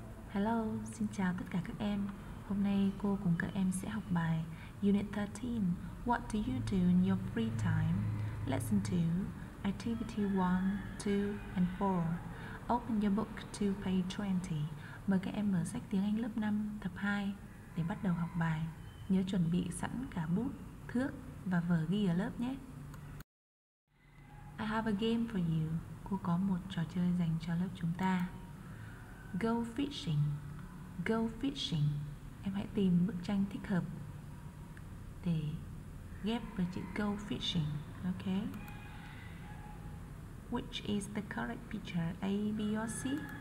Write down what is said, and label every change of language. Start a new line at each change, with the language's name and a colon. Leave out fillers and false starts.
Vietnamese: Hello, xin chào tất cả các em. Hôm nay cô cùng các em sẽ học bài Unit 13.
English: What do you do in your free time? Lesson 2, Activity 1, 2, and 4. Open your book to page 20.
Vietnamese: Mời các em mở sách tiếng Anh lớp 5 tập 2 để bắt đầu học bài. Nhớ chuẩn bị sẵn cả bút, thước và vở ghi ở lớp nhé.
English: I have a game for you.
Vietnamese: Cô có một trò chơi dành cho lớp chúng ta.
English: Go fishing. Go fishing.
Vietnamese: Em hãy tìm bức tranh thích hợp để ghép với chữ go fishing.
English: Ok. Which is the correct picture, A, B or C?